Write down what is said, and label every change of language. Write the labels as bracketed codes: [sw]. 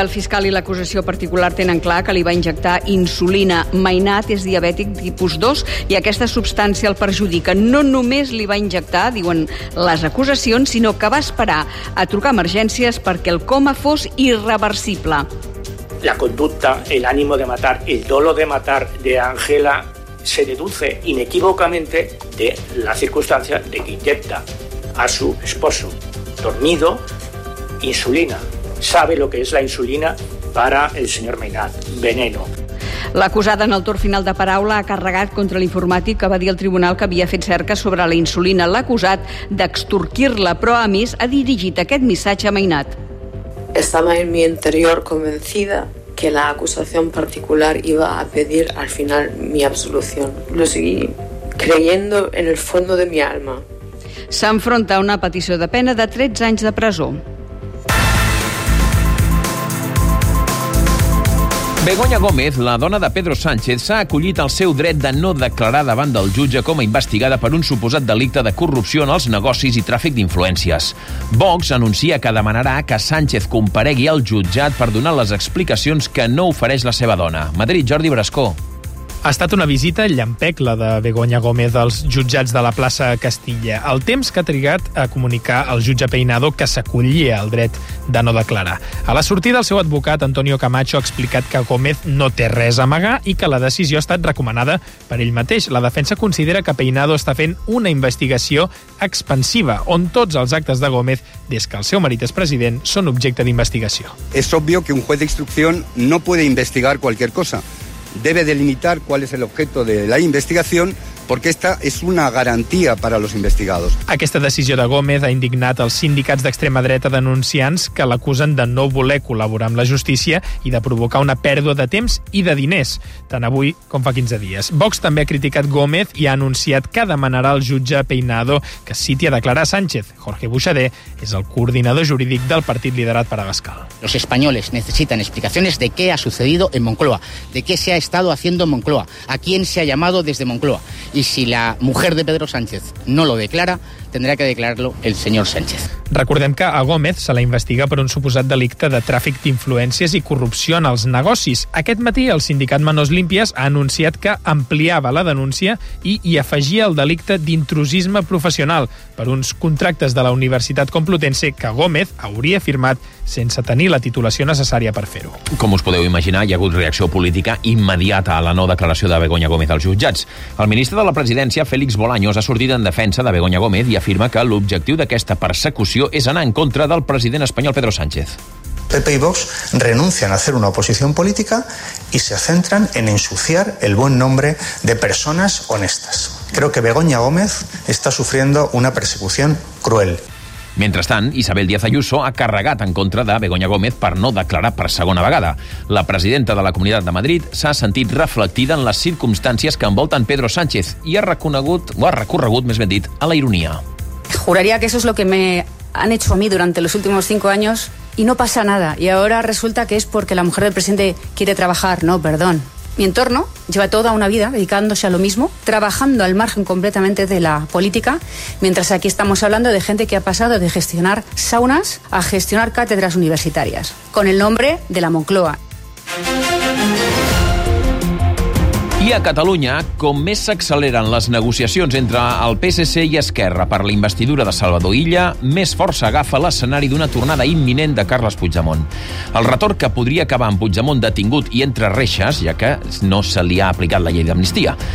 [ca] El fiscal i l'acusació particular tenen clar que li va injectar insulina. Mainat és diabètic tipus 2 i aquesta substància el perjudica. No només li va injectar, diuen les acusacions, sinó que va esperar a trucar emergències perquè el coma fos irreversible. [es] La conducta, el ánimo de matar, el dolo de matar de Ángela se deduce inequívocamente de la circunstancia de que inyecta a su esposo dormido insulina. Sabe lo que es la insulina para el señor Mainat, veneno. [ca] L'acusada, en el torn final de paraula, ha carregat contra l'informàtic que va dir al tribunal que havia fet cerca sobre la insulina. L'acusat d'extorquir-la, però a més ha dirigit aquest missatge a Mainat. [es] Estava en mi interior convencida que la acusació particular iba a pedir al final mi absolución. Lo seguí creyendo en el fondo de mi alma. [ca] s'enfronta a una petició de pena de 13 anys de presó. Begoña Gómez, la dona de Pedro Sánchez, s'ha acollit al seu dret de no declarar davant del jutge com a investigada per un suposat delicte de corrupció en els negocis i tràfic d'influències. Vox anuncia que demanarà que Sánchez comparegui al jutjat per donar les explicacions que no ofereix la seva dona. Madrid, Jordi Brascó. Ha estat una visita llampec la de Begoña Gómez als jutjats de la plaça Castilla. El temps que ha trigat a comunicar al jutge Peinado que s'acollia al dret de no declarar. A la sortida, el seu advocat, Antonio Camacho, ha explicat que Gómez no té res a amagar i que la decisió ha estat recomanada per ell mateix. La defensa considera que Peinado està fent una investigació expansiva on tots els actes de Gómez, des que el seu marit és president, són objecte d'investigació. [es] És obvio que un juez de instrucción no puede investigar cualquier cosa. Debe delimitar cuál es el objeto de la investigación porque esta es una garantía para los investigados. [ca] Aquesta decisió de Gómez ha indignat els sindicats d'extrema dreta denunciants que l'acusen de no voler col·laborar amb la justícia i de provocar una pèrdua de temps i de diners, tant avui com fa 15 dies. Vox també ha criticat Gómez i ha anunciat que demanarà al jutge Peinado que citi a declarar Sánchez. Jorge Buxadé és el coordinador jurídic del partit liderat per Abascal. [es] Los españoles necesitan explicaciones de qué ha sucedido en Moncloa, de qué se ha estado haciendo en Moncloa, a quién se ha llamado desde Moncloa. Y si la mujer de Pedro Sánchez no lo declara, tendrá que declararlo el señor Sánchez. [ca] Recordem que a Gómez se la investiga per un suposat delicte de tràfic d'influències i corrupció en els negocis. Aquest matí, el sindicat Manos Límpies ha anunciat que ampliava la denúncia i hi afegia el delicte d'intrusisme professional per uns contractes de la Universitat Complutense que Gómez hauria firmat sense tenir la titulació necessària per fer-ho. Com us podeu imaginar, hi ha hagut reacció política immediata a la no declaració de Begoña Gómez als jutjats. El ministre de la Presidència, Félix Bolaños, ha sortit en defensa de Begoña Gómez i afirma que l'objectiu d'aquesta persecució és anar en contra del president espanyol Pedro Sánchez. [es] PP y Vox renuncian a hacer una oposición política y se centran en ensuciar el buen nombre de personas honestas. Creo que Begoña Gómez está sufriendo una persecución cruel. [ca] Mentrestant, Isabel Díaz Ayuso ha carregat en contra de Begoña Gómez per no declarar per segona vegada. La presidenta de la Comunitat de Madrid s'ha sentit reflectida en les circumstàncies que envolten Pedro Sánchez i ha reconegut, o ha recorregut, més ben dit, a la ironia. [es] Juraría que eso es lo que me han hecho a mí durante los últimos 5 años y no pasa nada. Y ahora resulta que es porque la mujer del presidente quiere trabajar. No, perdón. Mi entorno lleva toda una vida dedicándose a lo mismo, trabajando al margen completamente de la política, mientras aquí estamos hablando de gente que ha pasado de gestionar saunas a gestionar cátedras universitarias, con el nombre de la Moncloa. [ca] I a Catalunya, com més s'acceleren les negociacions entre el PSC i Esquerra per la investidura de Salvador Illa, més força agafa l'escenari d'una tornada imminent de Carles Puigdemont. El retorn que podria acabar amb Puigdemont detingut i entre reixes, ja que no se li ha aplicat la llei d'amnistia.